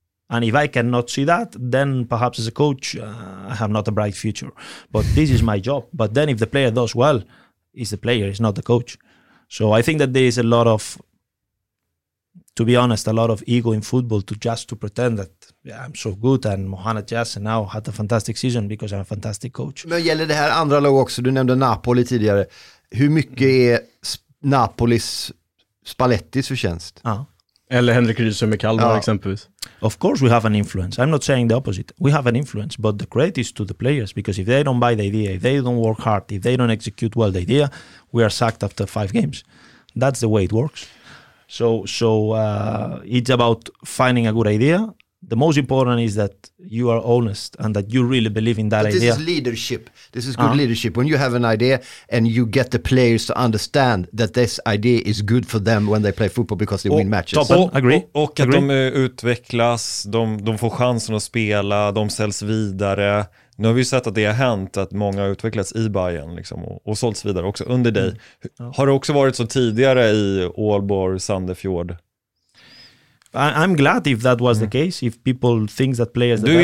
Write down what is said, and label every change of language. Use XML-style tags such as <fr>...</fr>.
<en>And if I cannot see that, then perhaps as a coach, I have not a bright future. But this is my job. But then if the player does well, it's the player, it's not the coach. So I think that there is a lot of, to be honest, a lot of ego in football to pretend that I'm so good and Mohanad Jasef now had a fantastic season because I'm a fantastic coach.</en> <sv>Men gäller det här andra lag också? Du nämnde Napoli tidigare. Hur mycket är Napolis Spallettis förtjänst? Ja. Eller Henrik Rydström med Kalmar exempelvis.</sv> <en>Of course we have an influence. I'm not saying the opposite. We have an influence, but the credit is to the players, because if they don't buy the idea, if they don't work hard, if they don't execute well the idea, we are sacked after 5 games. That's the way it works. So it's about finding a good idea. The most important is that you are honest and that you really believe in that idea. This is leadership. This is good leadership. When you have an idea and you get the players to understand that this idea is good for them when they play football because they win matches. Agree.</en> <sv>Att de utvecklas, de får chansen att spela, de säljs vidare. Nu har vi sett att det har hänt, att många har utvecklats i Bayern liksom, och sålts vidare också under dig. Har det också varit så tidigare i Aalborg, Sandefjord?</sv> <en>I'm glad if that was the case, if people think that players...</en>